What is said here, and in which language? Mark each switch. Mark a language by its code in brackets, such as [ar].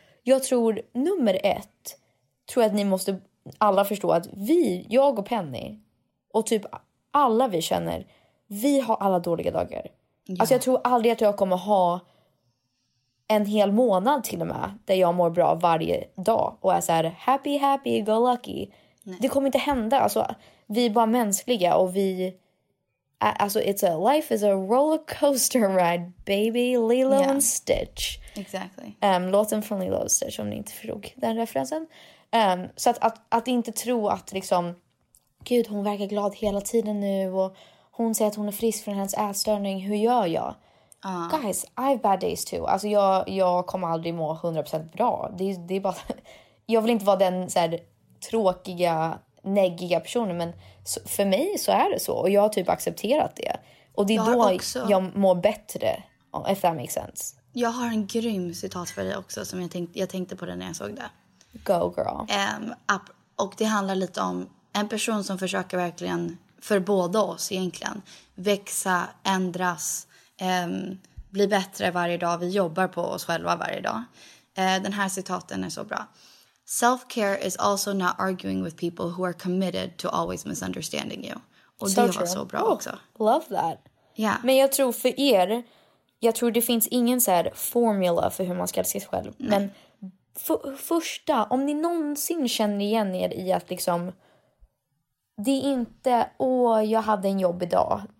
[sv] Jag tror nummer ett, tror att ni måste alla förstå att vi, jag och Penny och typ alla vi känner, vi har alla dåliga dagar. Ja. Alltså jag tror aldrig att jag kommer ha en hel månad till och med där jag mår bra varje dag och är så här [en] happy, happy, go lucky. [sv] Nej. Det kommer inte hända. Alltså, vi är bara mänskliga och vi... [en] Alltså, it's a, life is a roller coaster ride, baby. Lilo yeah. and Stitch. Exactly. [sv] Låten från Lilo and Stitch, om ni inte förstod den referensen. Så att inte tro att liksom... Gud, hon verkar glad hela tiden nu. Och hon säger att hon är frisk från hennes ätstörning. Hur gör jag? [en] Guys, I have bad days too. [sv] Alltså, jag kommer aldrig må 100% bra. Det är bara... jag vill inte vara den så här tråkiga... näggiga personer, men för mig så är det så, och jag har typ accepterat det, och det är jag då också... jag mår bättre, [en] if that makes sense. [sv] Jag har en grym citat för dig också som jag tänkte på det när jag såg det. [en] Go girl. [sv] Och det handlar lite om en person som försöker verkligen, för båda oss egentligen, växa, ändras, bli bättre varje dag, vi jobbar på oss själva varje dag. Den här citaten är så bra. [en] Self-care is also not arguing with people who are committed to always misunderstanding you. [sv] Och det var så bra också. [en] Love that. Yeah. [sv] Men jag tror för er, jag tror det finns ingen så här formula för hur man ska älska sig själv. Nej. Men första, om ni någonsin känner igen er i att liksom, det är inte, jag hade en jobb idag.